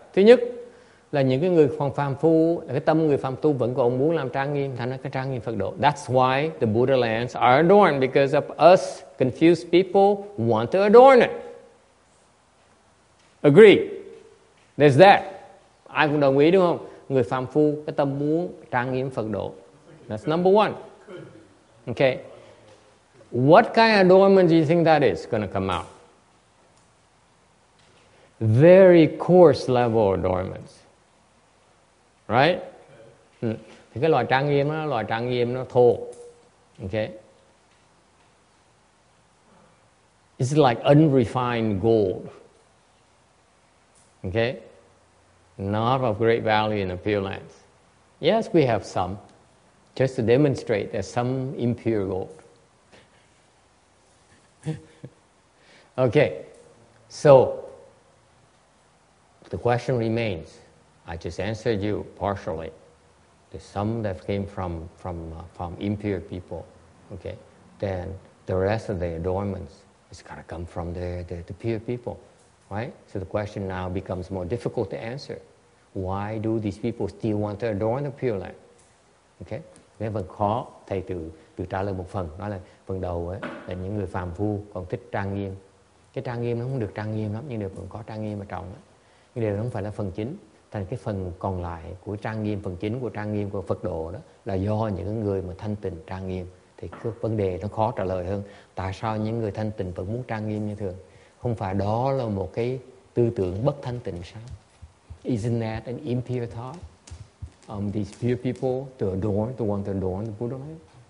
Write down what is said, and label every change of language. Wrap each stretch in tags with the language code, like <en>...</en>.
<vi>Thứ nhất là những cái người phàm phu, cái tâm người phàm tu vẫn còn muốn làm trang nghiêm, thành ra cái trang nghiêm Phật độ.</vi> <en>That's why the Buddha lands are adorned, because of us confused people want to adorn it. Agree? There's that.</en> <vi>Ai cũng đồng ý đúng không? Người phàm phu cái tâm muốn trang nghiêm Phật độ.</vi> <en>That's number one. Okay. What kind of adornment do you think that is going to come out? Very coarse level adornments. Right? Okay.</en> <vi>Thì cái loại trang nghiêm đó, loại trang nghiêm nó thô.</vi> <en>Okay? It's like unrefined gold. Okay? Not of great value in appearance. Yes, we have some. Just to demonstrate there's some impure gold. Okay, so the question remains. I just answered you partially. There's some that came from impure people. Okay, then the rest of the adornments is gonna come from the pure people, right? So the question now becomes more difficult to answer. Why do these people still want to adorn the pure land? Okay, we have a call.</en> <vi>Thầy từ trả lời một phần. Nói là phần đầu ấy là những người phàm phu còn thích trang nghiêm. Cái trang nghiêm nó không được trang nghiêm lắm, nhưng được còn có trang nghiêm ở trong đó. Nhưng điều đó không phải là phần chính. Thành cái phần còn lại của trang nghiêm, phần chính của trang nghiêm của Phật độ đó là do những người mà thanh tịnh trang nghiêm. Thì cái vấn đề nó khó trả lời hơn. Tại sao những người thanh tịnh vẫn muốn trang nghiêm như thường? Không phải đó là một cái tư tưởng bất thanh tịnh sao?</vi> <en>Isn't that an impure thought? These pure people to adorn, to want to adorn the Buddha life?</en>